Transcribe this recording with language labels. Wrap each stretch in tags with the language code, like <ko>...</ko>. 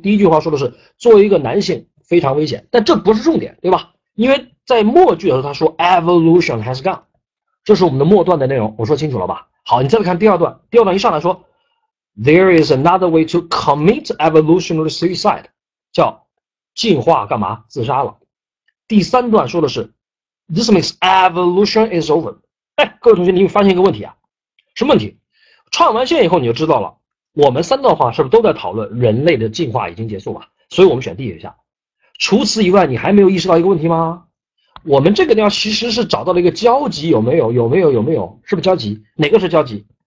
<zh>第一句话说的是，作为一个男性非常危险，但这不是重点，对吧？因为在末句的时候，他说</zh> <en>evolution has gone，</en> <zh>这是我们的末段的内容。我说清楚了吧？好，你再来看第二段，第二段一上来说，</zh> <en>there is another way to commit evolutionary suicide，</en> <zh>叫进化干嘛自杀了。第三段说的是，</zh> <en>this means evolution is over。</en> <zh>哎，各位同学，你有发现一个问题啊？什么问题？串完线以后，你就知道了。我们三段话是不是都在讨论人类的进化已经结束了？所以我们选 D 选项。除此以外，你还没有意识到一个问题吗？我们这个地方其实是找到了一个交集，有没有？有没有？有没有？是不是交集？哪个是交集？</zh>